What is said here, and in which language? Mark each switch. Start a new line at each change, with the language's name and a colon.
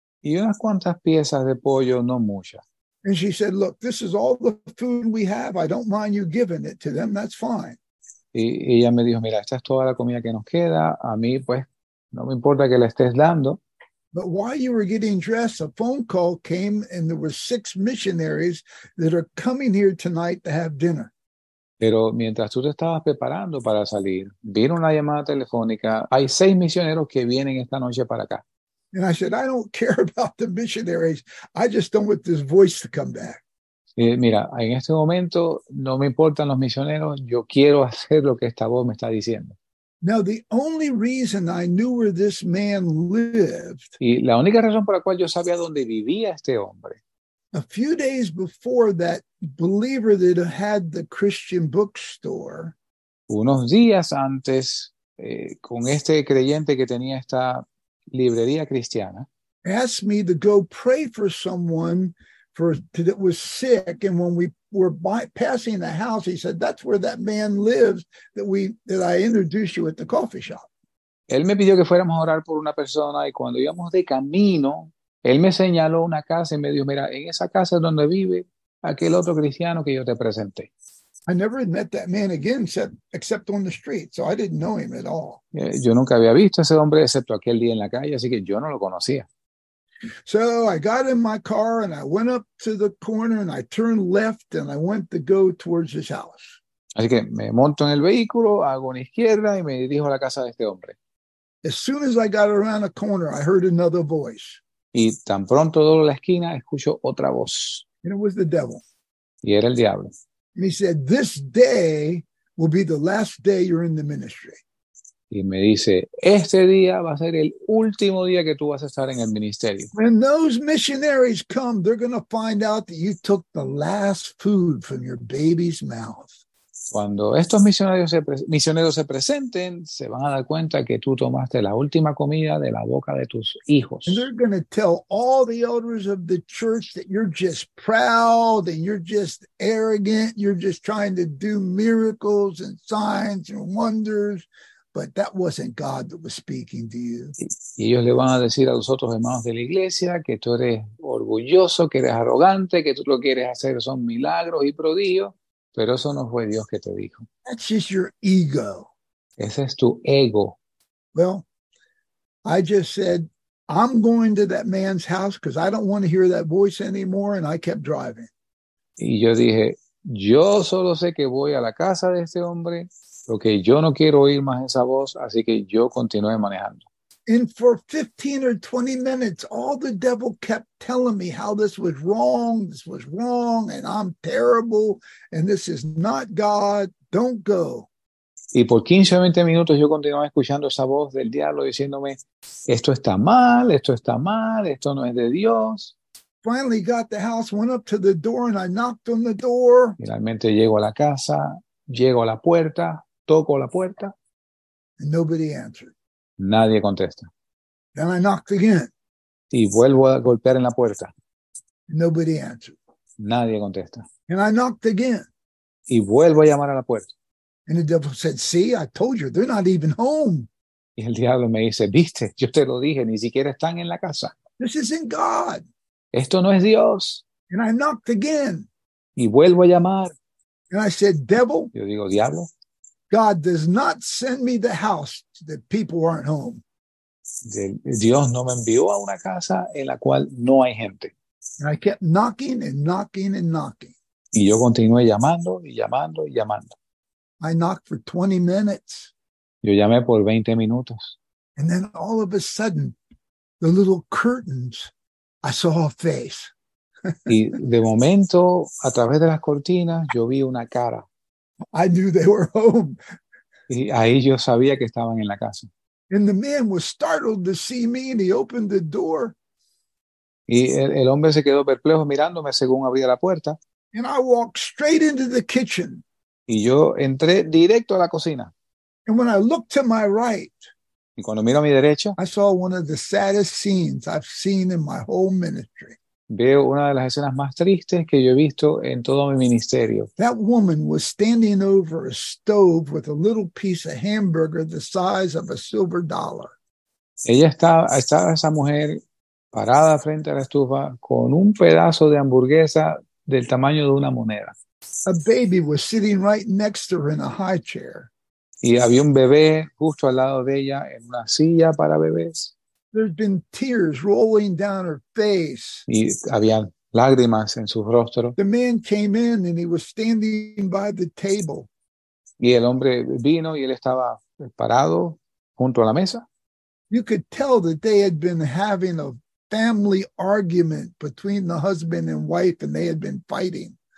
Spanish: Y unas cuantas piezas de pollo, no muchas.
English: And she said, look, this is all the food we have. I don't mind you giving it to them. That's fine.
Spanish: Y ella me dijo, mira, esta es toda la comida que nos queda. A mí, pues, no me importa que la estés dando.
English: But while you were getting dressed, a phone call came and there were six missionaries that are coming here tonight to have dinner.
Spanish: Pero mientras tú te estabas preparando para salir, vino una llamada telefónica. Hay seis misioneros que vienen esta noche para acá.
English: And I said, I don't care about the missionaries. I just don't want this voice to come back.
Spanish: Mira, en este momento no me importan los misioneros. Yo quiero hacer lo que esta voz me está diciendo.
English: Now, the only reason I knew where this man lived.
Spanish: Y la única razón por la cual yo sabía dónde vivía este hombre.
English: A few days before that believer that had the Christian bookstore.
Spanish: Unos días antes, con este creyente que tenía esta librería cristiana.
English: Asked me to go pray for someone that was sick. And when we were passing the house, he said, that's where that man lives that I introduced you at the coffee shop.
Spanish: Él me pidió que fuéramos a orar por una persona y cuando íbamos de camino, él me señaló una casa y me dijo, mira, en esa casa es donde vive aquel otro cristiano que yo te presenté.
English: I never had met that man again, except on the street, so I didn't know him at all.
Spanish: Yo nunca había visto a ese hombre, excepto aquel día en la calle, así que yo no lo conocía.
English: So I got in my car and I went up to the corner and I turned left and I went to go towards his house.
Spanish: Así que me monto en el vehículo, hago una izquierda y me dirijo a la casa de este hombre.
English: As soon as I got around a corner, I heard another voice.
Spanish: Y tan pronto doblo la esquina, escucho otra voz.
English: And it was the devil.
Spanish: Y era el diablo.
English: And he said, this day will be the last day you're in the ministry.
Spanish: Y me dice, este día va a ser el último día que tú vas a estar en el ministerio.
English: When those missionaries come, they're going to find out that you took the last food from your baby's mouth.
Spanish: Cuando estos misioneros se presenten, se van a dar cuenta que tú tomaste la última comida de la boca de tus hijos.
English: And they're going to tell all the elders of the church that you're just proud and you're just arrogant. You're just trying to do miracles and signs and wonders. But that wasn't God that was speaking to you.
Spanish: Y ellos le van a decir a los otros hermanos de la iglesia que tú eres orgulloso, que eres arrogante, que tú lo quieres hacer son milagros y prodigios. Pero eso no fue Dios que te dijo.
English: That's just your ego.
Spanish: Ese es tu ego.
English: Well, I just said, I'm going to that man's house because I don't want to hear that voice anymore. And I kept driving.
Spanish: Y yo dije, yo solo sé que voy a la casa de este hombre porque yo no quiero oír más esa voz. Así que yo continué manejando.
English: And for 15 or 20 minutes, all the devil kept telling me how this was wrong, and I'm terrible, and this is not God, don't go.
Spanish: Y por 15 o 20 minutos yo continuaba escuchando esa voz del diablo diciéndome, esto está mal, esto no es de Dios.
English: Finally got the house, went up to the door, and I knocked on the door.
Spanish: Finalmente llego a la casa, llego a la puerta, toco la puerta.
English: And nobody answered.
Spanish: Nadie contesta.
English: Then I knocked again.
Spanish: Y vuelvo a golpear en la puerta.
English: Nobody answered.
Spanish: Nadie contesta.
English: And I knocked again.
Spanish: Y vuelvo a llamar a la puerta.
English: And the devil said, see, I told you, they're not even home.
Spanish: Y el diablo me dice, viste, yo te lo dije, ni siquiera están en la casa.
English: This isn't God.
Spanish: Esto no es Dios.
English: And I knocked again.
Spanish: Y vuelvo a llamar.
English: And I said, devil.
Spanish: Yo digo, diablo.
English: God does not send me the house that people aren't home.
Spanish: Dios no me envió a una casa en la cual no hay gente.
English: And I kept knocking and knocking and knocking.
Spanish: Y yo continué llamando y llamando y llamando.
English: I knocked for 20 minutes.
Spanish: Yo llamé por 20 minutos.
English: And then all of a sudden, the little curtains, I saw a face.
Spanish: Y de momento, a través de las cortinas, yo vi una cara.
English: I knew they were home.
Spanish: Y ahí yo sabía que estaban en la casa.
English: And the man was startled to see me and he opened the door.
Spanish: Y el hombre se quedó perplejo mirándome según abría la puerta.
English: And I walked straight into the kitchen.
Spanish: Y yo entré directo a la cocina.
English: And when I looked to my right,
Spanish: y cuando miro a mi derecha,
English: I saw one of the saddest scenes I've seen in my whole ministry.
Spanish: Veo una de las escenas más tristes que yo he visto en todo mi ministerio.
English: That woman was standing over a stove with a little piece of hamburger the size of a silver dollar.
Spanish: Estaba esa mujer parada frente a la estufa con un pedazo de hamburguesa del tamaño de una moneda.
English: A baby was sitting right next to her in a high chair.
Spanish: Y había un bebé justo al lado de ella en una silla para bebés.
English: there's been tears rolling down her face.
Spanish: Y había lágrimas en su rostro.
English: The man came in and he was standing by the table.
Spanish: Y el hombre vino y él estaba parado junto a la mesa.
English: You could tell that they had been having a family argument between the husband and wife, and they had been fighting.